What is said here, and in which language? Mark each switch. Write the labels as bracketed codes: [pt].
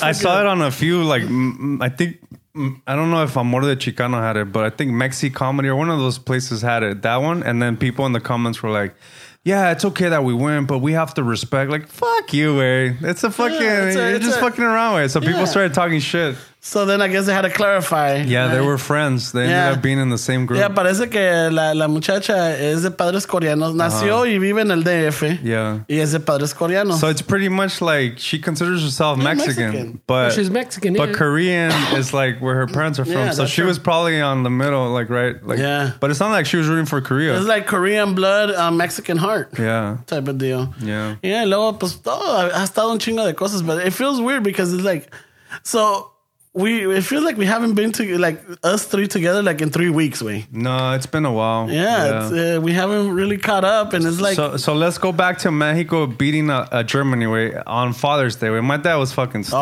[en] fucking... I saw it on a few, like, I think, I don't know if Amor de Chicano had it, but I think Mexi Comedy or one of those places had it, that one. And then people in the comments were like, yeah, it's okay that we win, but we have to respect, like, fuck you, way. It's a fucking, fucking around, way. So people started talking shit. So then I guess they had to clarify. Yeah, right? They were friends. They ended up being in the same group. [es] Yeah, parece que la muchacha es de padres coreanos. Nació y vive en el DF. [en] Yeah. [es] Y es de padres coreanos. [en] So it's pretty much like she considers herself Mexican. But she's Mexican, but Korean is like where her parents are from. So she was probably on the middle, like, right? Like, yeah. But it's not like she was rooting for Korea. It's like Korean blood, Mexican heart. Yeah. Type of deal. Yeah. [es] Yeah, luego, pues, todo ha estado un chingo de cosas. [en] But it feels weird because it's like, so... It feels like we haven't been to like us three together like in 3 weeks. No, it's been a while. Yeah. We haven't really caught up, and it's like so. Let's go back to Mexico beating a Germany on Father's Day. My dad was fucking stoked.